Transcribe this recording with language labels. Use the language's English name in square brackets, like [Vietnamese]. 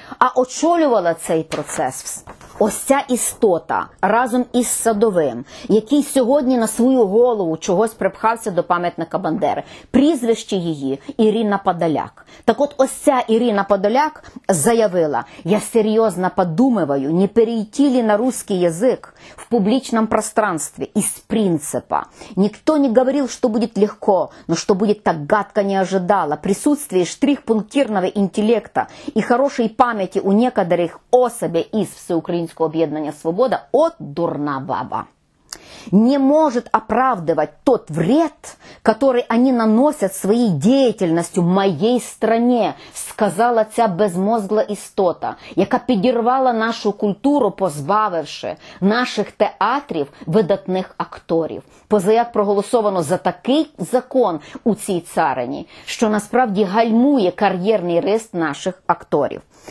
[Ukrainian] А очолювала цей процес ось ця істота разом із Садовим, який сьогодні на свою голову чогось припхався до пам'ятника Бандери. Прізвище її – Ірина Подоляк. Так от ось ця Ірина Подоляк заявила: [Russian] «Я серйозно подумываю, не перейти ли на русский язык в публичном пространстве из принципа. Никто не говорил, что будет легко, но что будет так гадко не ожидала. Присутствие штрих-пунктирного интеллекта и хорошей памяти у некоторых особей из Всеукраинского объединения «Свобода» – [Ukrainian] от дурна баба. [Russian] Не может оправдывать тот вред, который они наносят своей деятельностью моей стране, [Ukrainian] сказала ця безмозгла істота, яка підірвала нашу культуру, позбавивши наших театрів видатних акторів. Позаяк проголосовано за такий закон у цій царині, що насправді гальмує кар'єрний рист наших акторів.